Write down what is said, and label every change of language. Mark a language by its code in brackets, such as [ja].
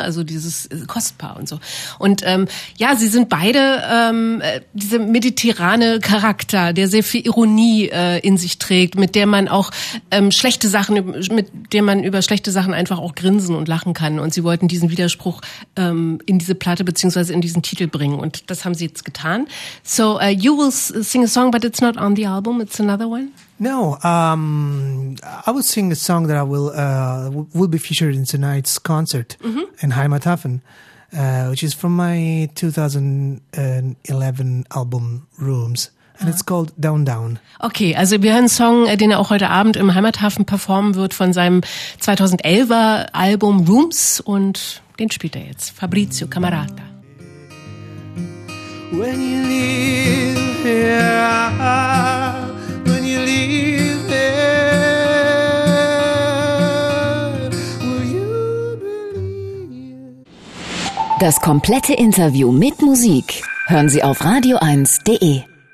[de] Also dieses kostbar und so. Und ja, sie sind beide dieser mediterrane Charakter, der sehr viel Ironie in sich trägt, mit der man auch schlechte Sachen, mit der man über schlechte Sachen einfach auch grinsen und lachen kann. Und sie wollten diesen Widerspruch in diese Platte beziehungsweise in diesen Titel bringen. Und das haben sie jetzt getan. [en] So, you will sing a song, but it's not on the album. It's another one? No. I will sing a song that I will be featured in tonight's concert in Heimathafen, which is from my 2011 album Rooms. And it's called Down Down. [de] Okay, also wir hören einen Song, den er auch heute Abend im Heimathafen performen wird von seinem 2011er Album Rooms. Und den spielt er jetzt. Fabrizio Camarata. [en] When you leave, yeah, when you leave there, will you believe? [de] Das komplette Interview mit Musik hören Sie auf radio1.de.